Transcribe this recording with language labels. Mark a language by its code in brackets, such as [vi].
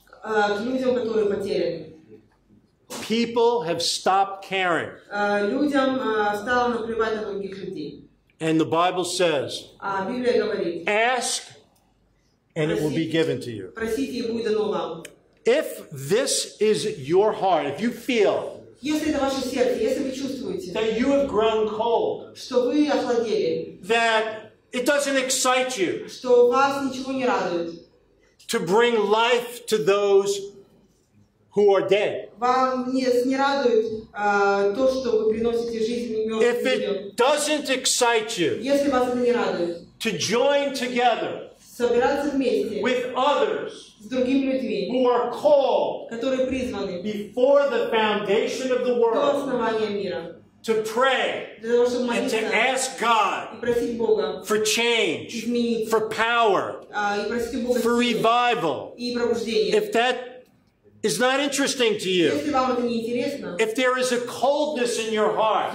[ru] К людям, которые потеряны. [en] People have stopped caring. [ru] Людям стало наплевать на других людей. [en] And the Bible says, [ru] Библия говорит, [en] ask and [ru] просите, [en] it will be given to you. [ru] Просите, и будет дано вам. [en] If this is your heart, if you feel, [ru] если это ваше сердце, если вы чувствуете, [en] that you have grown cold, [ru] что вы охладели, [en] that it doesn't excite you, [ru] что вас ничего не радует, [en] to bring life to those who are dead. [ru] Вам не радует то, что вы приносите жизнь мертвым людям. [en] If it doesn't excite you, [ru] если вас это не радует, [en] to join together, [ru] собираться вместе, [en] with others, [ru] с другими людьми, [en] who are called, [ru] которые призваны, [en] before the foundation of the world, [ru] до основания мира, [en] to pray, [ru] для того, чтобы молиться, [en] and to ask God, [ru] и просить Бога, [en] for change, [ru] изменить, [en] for power, [ru] и просить Бога, [en] for revival, [ru] и пробуждение. [en] If that is not interesting to you. [ru] Если вам это не интересно. [en] If there is a coldness in your heart.